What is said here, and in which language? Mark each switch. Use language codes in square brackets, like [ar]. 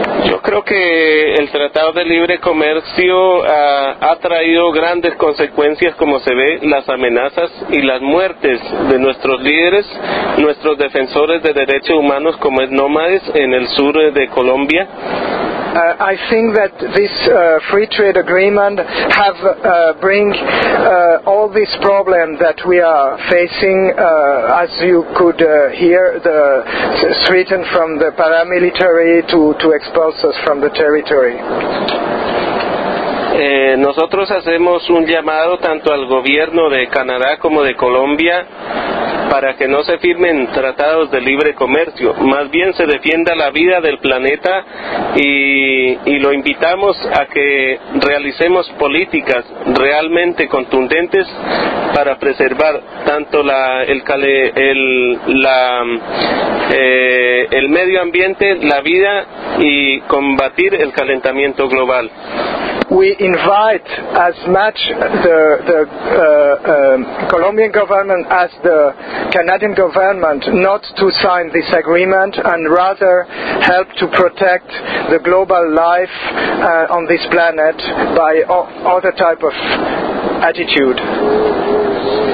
[es] Yo creo que el Tratado de Libre Comercio ha traído grandes consecuencias, como se ve, las amenazas y las muertes de nuestros líderes, nuestros defensores de derechos humanos, como es Nómades, en el sur de Colombia. [en] I think that this free trade agreement have bring all this problem that we are facing, as you could hear, the threaten from the paramilitary to expulse us from the territory. [es] Nosotros hacemos un llamado tanto al gobierno de Canadá como de Colombia para que no se firmen tratados de libre comercio, más bien se defienda la vida del planeta y lo invitamos a que realicemos políticas realmente contundentes para preservar tanto el medio ambiente, la vida y combatir el calentamiento global. [en] We invite as much the Colombian government as the Canadian government not to sign this agreement and rather help to protect the global life on this planet by other type of attitude.